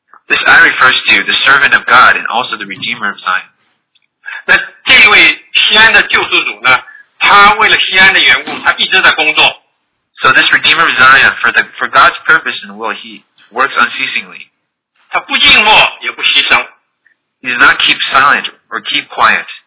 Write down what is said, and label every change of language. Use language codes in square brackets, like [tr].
[en] This I refers to the servant of God and also the Redeemer of Zion. [zh] 那这位锡安的救世主呢，他为了锡安的缘故，他一直在工作。 [en] So this Redeemer of Zion, for God's purpose and will, he works unceasingly. [zh] 他不静默，也不牺牲。 [en] He does not keep silent or keep quiet.